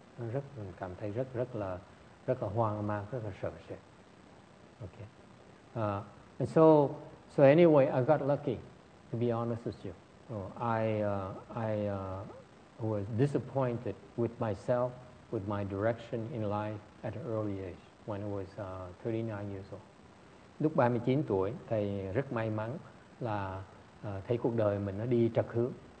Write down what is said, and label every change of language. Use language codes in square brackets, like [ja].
[vi] Nó rất mình cảm thấy rất là hoang mang, rất là sợ sệt. [en] Okay. And so anyway, I got lucky, to be honest with you. I was disappointed with myself, with my direction in life at an early age, when I was 39 years old. [vi] Lúc 39 tuổi, thầy rất may mắn là thấy cuộc đời mình nó đi trật hướng.